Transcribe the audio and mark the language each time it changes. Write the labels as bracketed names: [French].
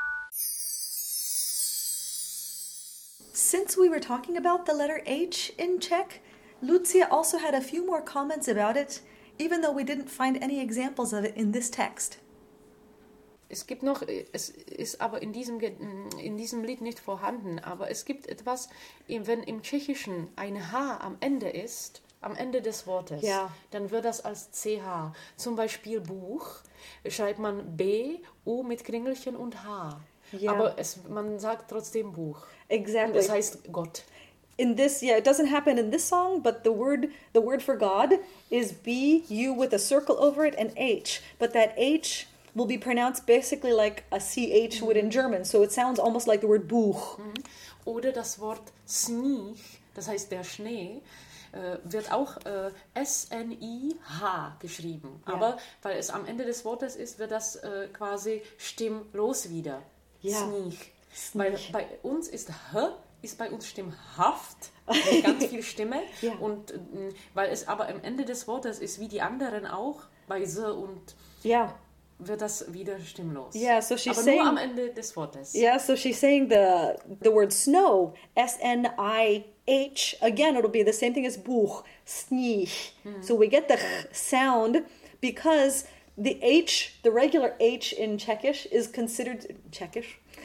[English] Since we were talking about the letter H in Czech, Lucia also had a few more comments about it, even though we didn't find any examples of it in this text. [German] Es gibt noch, es ist aber in diesem Lied nicht vorhanden, aber es gibt etwas, wenn im Tschechischen ein H am Ende ist, am Ende des Wortes, ja, dann wird das als CH. Zum Beispiel Buch schreibt man B-U mit Kringelchen und H. [English] Yeah. [German] Aber es, man sagt trotzdem Buch. [English] Exactly. [German] Das heißt Gott. [English] In this, yeah, it doesn't happen in this song, but the word for God is B, U with a circle over it, and H. But that H will be pronounced basically like a CH would in German. So it sounds almost like the word Buch. [German] Oder das Wort Schnee, das heißt der Schnee, wird auch S-N-I-H geschrieben. [English] Yeah. [German] Aber weil es am Ende des Wortes ist, wird das quasi stimmlos wieder. Ja. Snich. Weil bei uns ist H, ist bei uns stimmhaft, mit ganz viel Stimme. Ja. Und weil es aber am Ende des Wortes ist, wie die anderen auch, bei S und ja, wird das wieder stimmlos. [English] Ja, so she's [German] aber [English] saying, [German] nur am Ende des Wortes. [English] Ja, so she's saying the word snow, S-N-I-H, again, it'll be the same thing as Buch, Snich. Mm-hmm. So we get the H sound because the H, the regular H in Czechish is considered, Czechish?